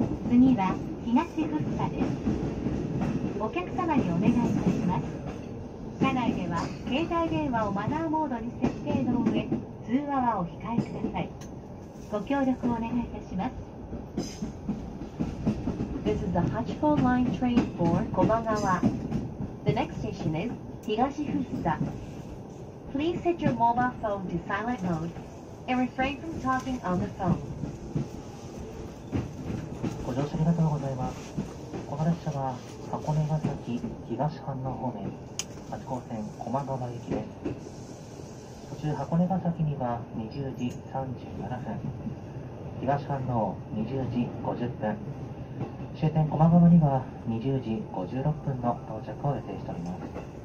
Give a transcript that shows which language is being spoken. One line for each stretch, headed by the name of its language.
Japanese: 次は東福生です。お客様にお願いいたします。車内では携帯電話をマナーモードに設定の上通話はお控えください。ご協力をお願いいたします。
English: This is the 八高 line train for 駒川。 The next station is 東福生。 Please set your mobile phone to silent modeAnd refrain from talking on the phone.
Japanese: ご乗車ありがとうございます。この列車は箱根ヶ崎東飯能方面、八高線駒川行きです。途中箱根ヶ崎には20時37分、東飯能20時50分、終点駒川には20時56分の到着を予定しております。